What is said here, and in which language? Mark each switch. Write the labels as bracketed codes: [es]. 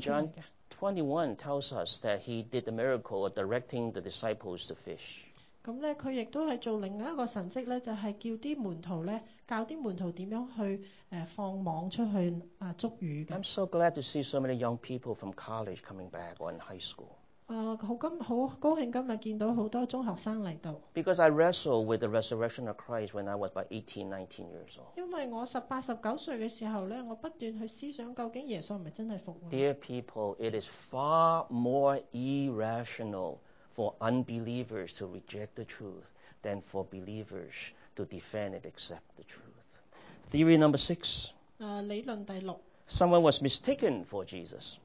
[en] John 21 tells us that he did the miracle of directing the disciples to fish。 [yue] 咁咧，佢亦都係做另一個神蹟咧，就係叫啲門徒咧，教啲門徒點樣去放網出去捉魚嘅。 [en] I'm so glad to see so many young people from college coming back or in high school。 [yue] 好高興今日見到好多中學生嚟到。 [en] Because I wrestled with the resurrection of Christ when I was about 18, 19 years old. [yue] 因為我18、19歲嘅時候咧，我不斷去思想究竟耶穌係咪真係復活。 [en] Dear people, it is far more irrational for unbelievers to reject the truth than for believers to defend and accept the truth. Theory number 6. [yue] 理論第六。 [en] Someone was mistaken for Jesus.